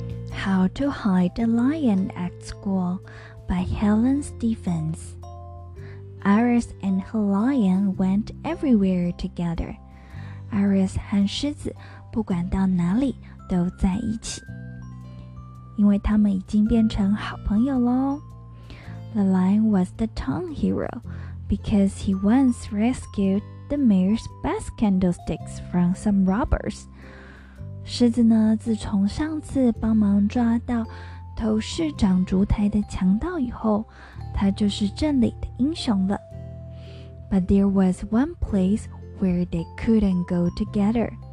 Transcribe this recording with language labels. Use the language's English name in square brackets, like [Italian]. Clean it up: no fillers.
[English] How to Hide the Lion at School by Helen Stephens. Iris and her lion went everywhere together. [Chinese] Iris 和狮子不管到哪里都在一起，因为他们已经变成好朋友咯。 [English] The lion was the town hero because he once rescued the mayor's best candlesticks from some robbers. [Chinese] 狮子呢，自从上次帮忙抓到偷市长烛台的强盗以后，他就是镇里的英雄了。 [English] But there was one place where they couldn't go together.